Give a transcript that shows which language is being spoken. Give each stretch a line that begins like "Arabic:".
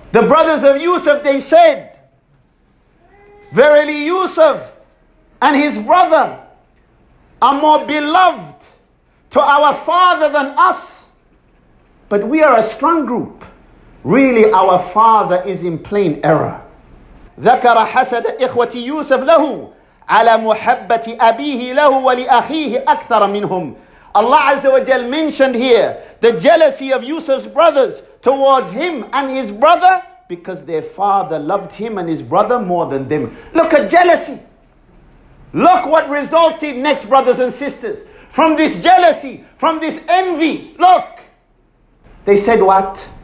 English: The brothers of Yusuf, they said, verily Yusuf and his brother are more beloved to our father than us. But we are a strong group. Really, our father is in plain error.
Arabic: ذكر حسد إخوة يوسف له على محبة أبيه له ولأخيه أكثر منهم.
English: Allah Azza wa Jal mentioned here the jealousy of Yusuf's brothers towards him and his brother because their father loved him and his brother more than them. Look at jealousy. Look what resulted next, brothers and sisters. From this jealousy, from this envy, look. They said what?